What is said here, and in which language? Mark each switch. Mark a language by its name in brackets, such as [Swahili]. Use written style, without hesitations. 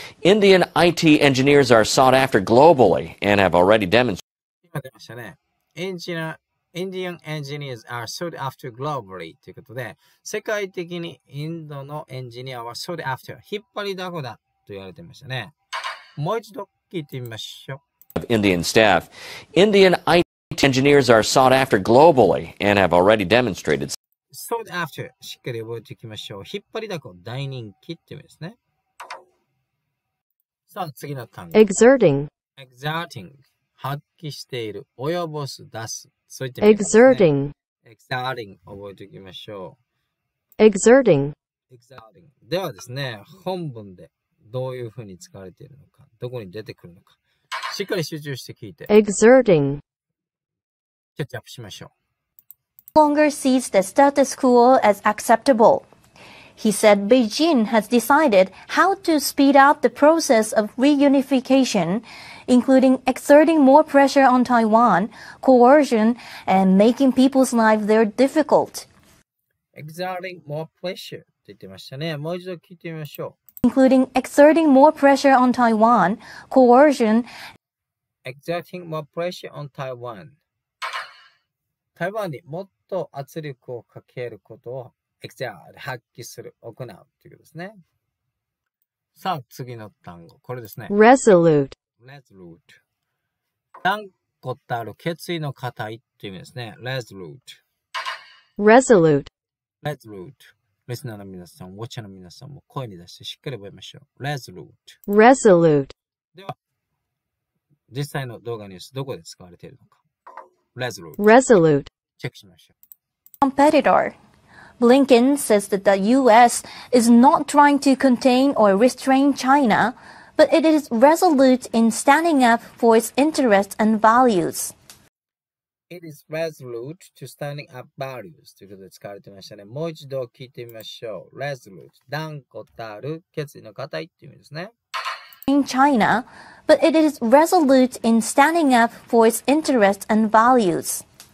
[English] Indian IT engineers are sought after globally and have already demonstrated. [Japanese] 今出ましたね。 [English] Indian engineers are sought after globally. [Japanese] ということで、世界的にインドのエンジニアは [English] sought after. [Japanese] 引っ張りだこだと言われてましたね。もう一度聞いてみましょう。 [English] Of Indian staff. Indian ITEngineers are sought after globally and have already demonstrated. Sought after. [Japanese] しっかり覚えていきましょう。引っ張りだこ、大人気って意味ですね。さあ、次の単語。 [English] Exerting. Exerting. [Japanese] 発揮している、及ぼす、出す。そういった意味です [English] ね。Exerting. [Japanese] Exerting. 覚えていきましょう。 [English] Exerting. Exerting. [Japanese] ではですね、本文でどういうふうに使われているのか、どこに出てくるのか、しっかり集中して聞いて。 [English] Exerting. [Japanese] キャッチアップしましょう。 [English] No longer sees the status quo as acceptable. He said Beijing has decided how to speed up the process of reunification, including exerting more pressure on Taiwan, coercion, and making people's lives there difficult. Exerting more pressure [Japanese] って言ってましたね。もう一度聞いてみましょう。 [English] Including exerting more pressure on Taiwan, coercion. Exerting more pressure on Taiwan. [Japanese] 台湾にもっと圧力をかけることを発揮する、行うということですね。さあ、次の単語、これですね。 [English] resolute。 resolute。 [Japanese] 断固たる決意の固いという意味ですね。 [English] resolute。 resolute。 resolute。 [Japanese] リスナーの皆さん、ウォッチャーの皆さんも声に出してしっかり覚えましょう。 [English] resolute。 resolute。 [Japanese] では、実際の動画ニュース、どこで使われているのか。 [English] Resolute. Resolute. [Japanese] チェックしましょう。 [English] Competitor. Blinken says that the U.S. is not trying to contain or restrain China, but it is resolute in standing up for its interests and values. It is resolute to standing up values. [Japanese] ということで使われてましたね。もう一度聞いてみましょう。 [English] Resolute. [Japanese] 断固たる決意の固いっていう意味ですね。 [English] In China, but it is resolute in standing up for its interests and values.